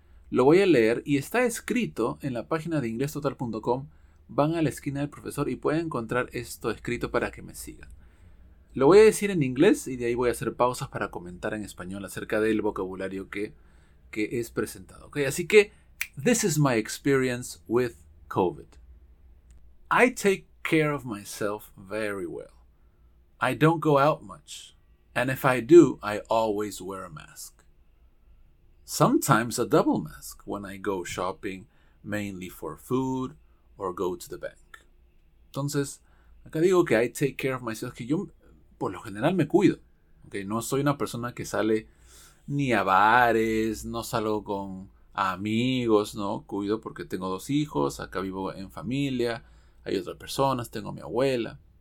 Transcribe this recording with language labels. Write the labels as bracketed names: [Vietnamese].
[Spanish] Lo voy a leer y está escrito en la página de inglestotal.com. Van a la esquina del profesor y pueden encontrar esto escrito para que me sigan. Lo voy a decir en inglés y de ahí voy a hacer pausas para comentar en español acerca del vocabulario que es presentado. [English] Okay, así que, this is my experience with COVID. I take care of myself very well. I don't go out much. And if I do, I always wear a mask. Sometimes a double mask when I go shopping, mainly for food or go to the bank. [Spanish] Entonces, acá digo que I take care of myself, que yo por lo general me cuido. Okay, no soy una persona que sale ni a bares, no salgo con amigos, ¿no? Cuido porque tengo dos hijos, acá vivo en familia, hay otras personas, tengo a mi abuela.